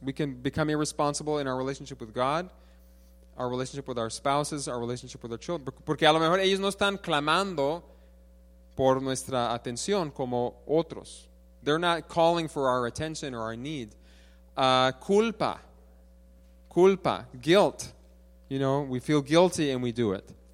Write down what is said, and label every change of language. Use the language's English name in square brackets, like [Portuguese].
[English] We can become irresponsible in our relationship with God, our relationship with our spouses, our relationship with our children. [Spanish] Porque a lo mejor ellos no están clamando por nuestra atención como otros. [English] They're not calling for our attention or our need. Culpa, guilt. You know, we feel guilty and we do it.